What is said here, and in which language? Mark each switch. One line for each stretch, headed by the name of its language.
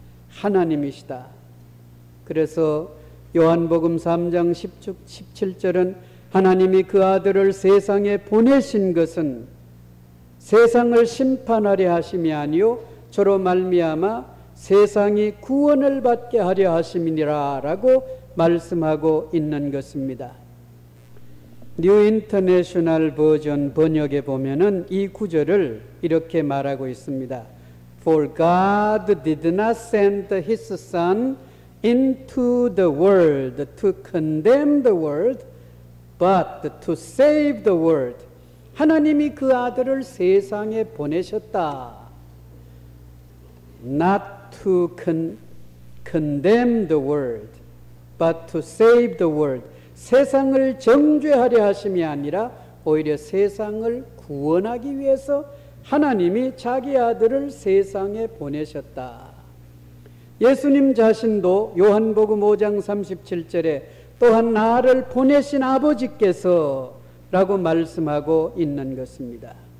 Korean: 하나님이시다. 그래서 요한복음 3장 17절은 하나님이 그 아들을 세상에 보내신 것은 세상을 심판하려 하심이 아니오 저로 말미암아 세상이 구원을 받게 하려 하심이니라 라고 말씀하고 있는 것입니다. 뉴 인터내셔널 버전 번역에 보면은 이 구절을 이렇게 말하고 있습니다.
English: For God did not send his son into the world to condemn the world, but to save the world.
Korean: 하나님이 그 아들을 세상에 보내셨다.
English: Not to condemn the world, but to save the world.
Korean: 세상을 정죄하려 하심이 아니라 오히려 세상을 구원하기 위해서 하나님이 자기 아들을 세상에 보내셨다. 예수님 자신도 요한복음 5장 37절에 또한 나를 보내신 아버지께서 라고 말씀하고 있는 것입니다.